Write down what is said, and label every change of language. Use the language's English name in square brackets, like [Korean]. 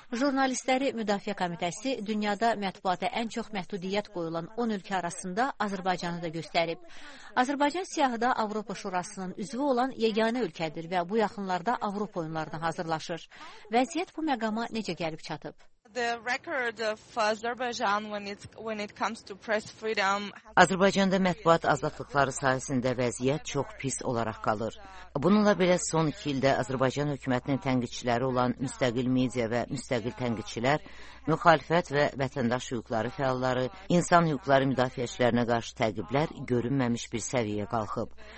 [Azerbaijani] Jurnalistləri Müdafiə Komitəsi dünyada mətbuata ən çox məhdudiyyət qoyulan 10 ölkə arasında Azərbaycanı da göstərib. Azərbaycan siyahıda Avropa Şurasının üzvü olan yeganə ölkədir və bu yaxınlarda Avropa oyunlarına hazırlaşır. Vəziyyət bu məqama necə gəlib çatıb? [English] The record of Azerbaijan when it comes to press freedom. [Azerbaijani] Azərbaycanda mətbuat azadlıqları sahəsində vəziyyət çox pis olaraq qalır. Bununla belə son 2 ildə Azərbaycan hökumətinin tənqidçiləri olan müstəqil media və müstəqil tənqidçilər, müxalifət və vətəndaş hüquqları fəalları, insan hüquqları müdafiəçilərinə qarşı təqiblər görünməmiş bir səviyyəyə qalxıb.